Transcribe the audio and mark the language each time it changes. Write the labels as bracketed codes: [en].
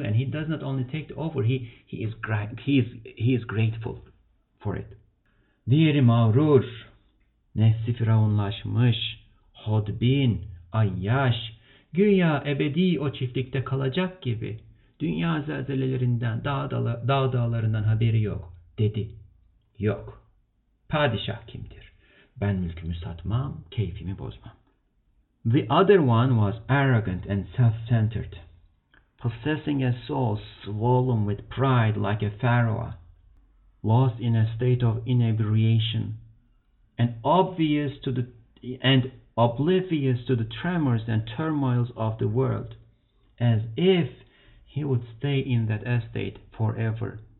[en] And he does not only take the offer, he is grateful for it. [tr] Diğeri mağrur, nefsi firavunlaşmış, hodbin, ayyaş, güya ebedi o çiftlikte kalacak gibi, dünya zelzelelerinden, dağ dağlarından haberi yok, dedi. Yok, padişah kimdir? Ben mülkümü satmam, keyfimi bozmam. [en] The other one was arrogant and self-centered, possessing a soul swollen with pride like a pharaoh, lost in a state of inebriation, and oblivious to the tremors and turmoils of the world, as if he would stay in that estate forever.